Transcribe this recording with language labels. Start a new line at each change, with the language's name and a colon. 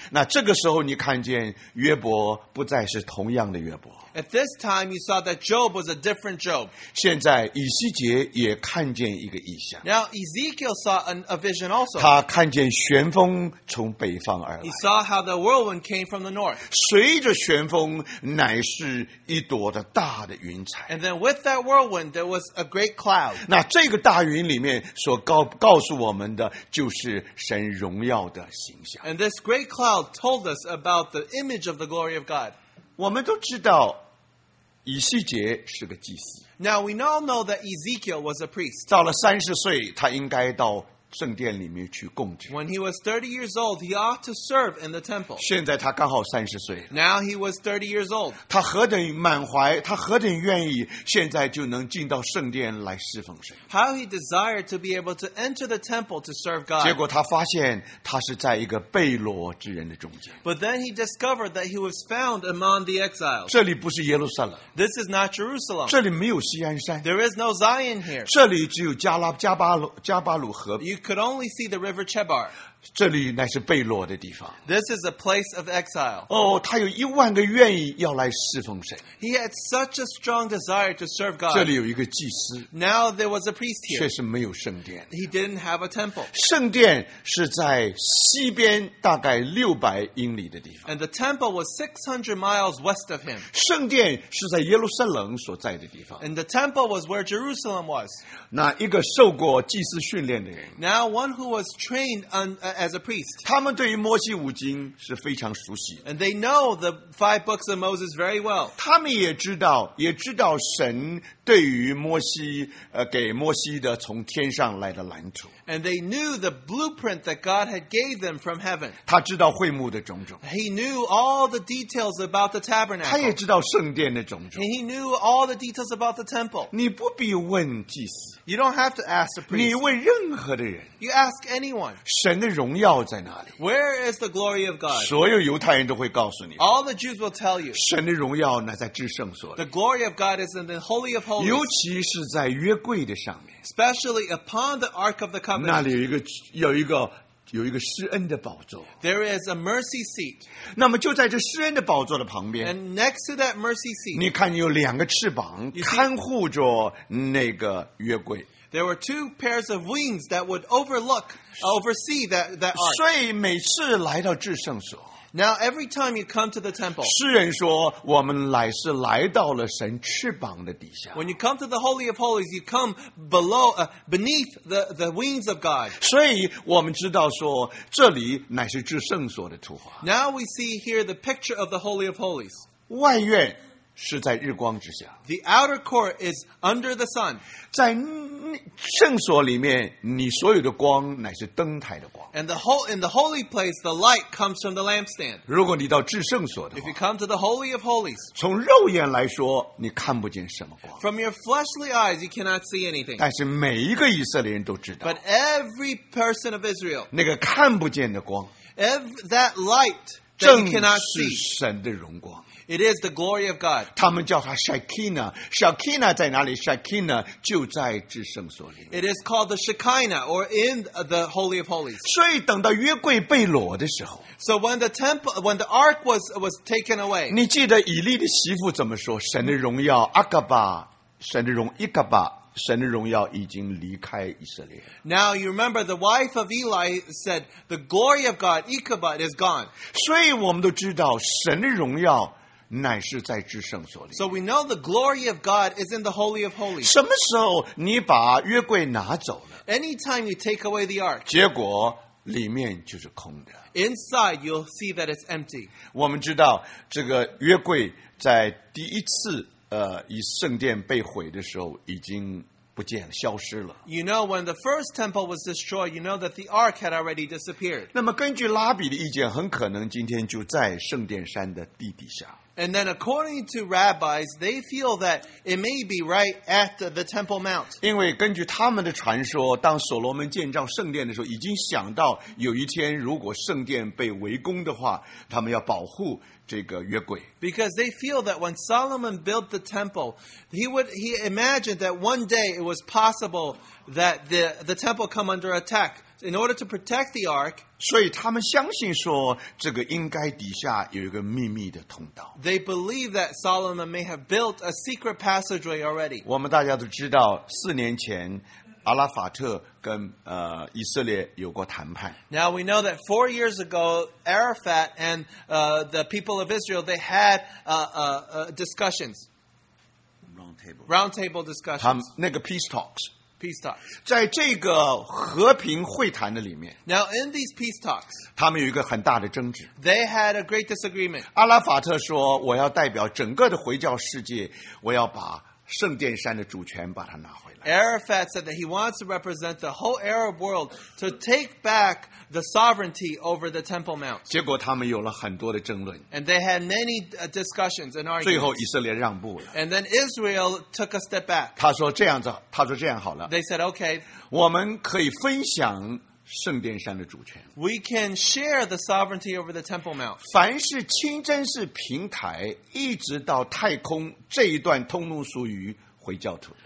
Chinese: 那这个时候你看见约伯不再是同样的约伯
English: At this time you saw that Job was a different Job.
Chinese: 现在以西结也看见一个异象
English: Now Ezekiel saw a vision also.
Chinese: 他看见旋风从北方而来
English: He saw how the whirlwind came from the north.
Chinese: 随着旋风乃是一朵的大的云彩
English: And then with that whirlwind, there was a great cloud.
Chinese: 那这个大云里面所 告诉我们的就是神荣耀的形象。
English: And this great cloud told us about the image of the glory of God.
Chinese: 我们都知道以西结是个祭司。
English: Now we all know that Ezekiel was a priest.
Chinese: 到了三十岁他应该到圣殿里面去供职。
English: When he was 30 years old, he ought to serve in the temple.
Chinese: 现在他刚好30岁。
English: Now he was 30 years old.
Chinese: 他何等满怀，他何等愿意，现在就能进到圣殿来侍奉神。
English: How he desired to be able to enter the temple to serve God.
Chinese: 结果他发现他是在一个被掳之人的中间。
English: But then he discovered that he was found among the exiles.
Chinese: 这里不是耶路撒冷。
English: This is not Jerusalem.
Chinese: 这里没有锡安山。
English: There is no Zion here.
Chinese: 这里只有加巴鲁河。
English: Could only see the river Chebar.
Chinese: 这里乃是被掳的地方。
English: This is a place of exile.
Chinese: 哦，他有一万个愿意要来侍奉神。
English: He had such a strong desire to serve God.
Chinese: 这里有一个祭司。
English: Now there was a priest here.
Chinese: 却是没有圣殿。
English: He didn't have a temple.
Chinese: 圣殿是在西边大概600英里的地方。
English: And the temple was 600 miles west of him.
Chinese: 圣殿是在耶路撒冷所在的地方。
English: And the temple was where Jerusalem was.
Chinese: 那一个受过祭司训练的人。
English: Now one who was trained on as a priest.
Chinese: 他们对于摩西五经是非常熟悉。
English: And they know the five books of Moses very well.
Chinese: 他们也知道神对于摩西给摩西的从天上来的蓝图。
English: And they knew the blueprint that God had gave them from heaven.
Chinese: 他知道会幕的种种。
English: He knew all the details about the tabernacle.
Chinese: 他也知道圣殿的种种。
English: And he knew all the details about the temple.
Chinese: 你不必问祭司。
English: You don't have to ask the priest.
Chinese: 你问任何的人。
English: You ask anyone.
Chinese: 神的荣耀在哪里？
English: Where is the glory of God?
Chinese: 所有犹太人都会告诉你。
English: All the Jews will tell you.
Chinese: 神的荣耀乃在至圣所里。
English: The glory of God is in the Holy of Holies.
Chinese: 尤其是在约柜的上面。
English: Especially upon the Ark of the Covenant.
Chinese: 那里有一个施恩的宝座。
English: There is a mercy seat.
Chinese: 那么就在这施恩的宝座的旁边。
English: And next to that mercy seat.
Chinese: 你看有两个翅膀看护着那个约柜。
English: There were two pairs of wings that would oversee that ark.
Chinese: 所以每次来到至圣所。
English: Now every time you come to the temple,
Chinese: 诗人说我们乃是来到了神翅膀的底下。
English: When you come to the Holy of Holies, you come beneath the wings of God.
Chinese: 所以我们知道说这里乃是至圣所的图画。
English: Now we see here the picture of the Holy of Holies.
Chinese: 外院是在日光之下。
English: The outer court is under the sun.
Chinese: 在圣所里面你所有的光乃是灯台的光。
English: And in the holy place, the light comes from the lampstand.
Chinese: 如果你到至圣所的话
English: If you come to the Holy of Holies,
Chinese: 从肉眼来说你看不见什么光。
English: From your fleshly eyes, you cannot see anything.
Chinese: 但是每一个以色列人都知道。
English: But every person of Israel,
Chinese: 那个看不见的光
English: that light that you cannot see,
Chinese: 正是神的荣光。
English: It is the glory of God.
Chinese: 他们叫他 Shekinah. Shekinah 在哪里？Shekinah 就在至圣所里。
English: It is called the Shekinah, or in the Holy of Holies.
Chinese: 所以等到约柜被掳的时候。
English: So when the ark was taken away.
Chinese: 你记得以利的媳妇怎么说？神的荣耀，阿嘎巴，神的荣，伊嘎巴。神的荣耀已经离开以色列。
English: Now you remember the wife of Eli said, "The glory of God, Ichabod, is gone."
Chinese: 所以我们都知道神的荣耀乃是在至圣所里。
English: So we know the glory of God is in the Holy of Holies.
Chinese: 什么时候你把约柜拿走了
English: ？Anytime you take away the ark.
Chinese: 结果里面就是空的。
English: Inside, you'll see that it's empty.
Chinese: 我们知道这个约柜在第一次。以圣殿被毁的时候已经不见了消失了。
English: You know, when the first temple was destroyed, you know that the ark had already disappeared.
Chinese: 那么根据拉比的意见很可能今天就在圣殿山的地底下。
English: And then according to rabbis, they feel that it may be right at the Temple Mount.
Chinese: 因为根据他们的传说，当所罗门建造圣殿的时候，已经想到有一天如果圣殿被围攻的话，他们要保护这个约柜。
English: Because they feel that when Solomon built the temple, he imagined that one day it was possible that the temple come under attack. In order to protect the ark,
Chinese: 所以他们相信说这个应该底下有一个秘密的通道。
English: They believe that Solomon may have built a secret passageway already.
Chinese: 我们大家都知道四年前阿拉法特跟以色列有过谈判。
English: Now we know that 4 years ago, Arafat and the people of Israel, they had discussions. Round table discussions. 那个 peace talks. Peace talks.
Chinese: 在这个和平会谈的里面
English: Now in these peace talks,
Chinese: 他们有一个很大的争执
English: They had a great disagreement.
Chinese: 阿拉法特说我要代表整个的回教世界我要把圣殿山的主权把它拿回来
English: Arafat said that he wants to represent the whole Arab world to take back the sovereignty over the Temple Mount.
Chinese: 结果他们有了很多的争论
English: And they had many discussions and arguments.
Chinese: 最后以色列让步了
English: And then Israel took a step back.
Chinese: 他说这样好了
English: They said, okay.
Chinese: 我们可以分享圣殿山的主权
English: We can share the sovereignty over the Temple Mount.
Chinese: 凡是清真寺平台一直到太空这一段通路属于回教徒